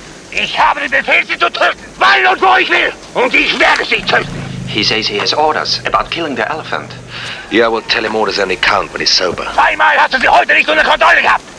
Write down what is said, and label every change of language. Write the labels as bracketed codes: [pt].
[de] Ich habe den Befehl, sie zu töten, wann und wo ich will! Und ich werde sie töten! [en] He says he has orders about killing the elephant. Yeah, well, tell him orders only count when he's sober. [de] Zweimal hast du sie heute nicht unter Kontrolle gehabt!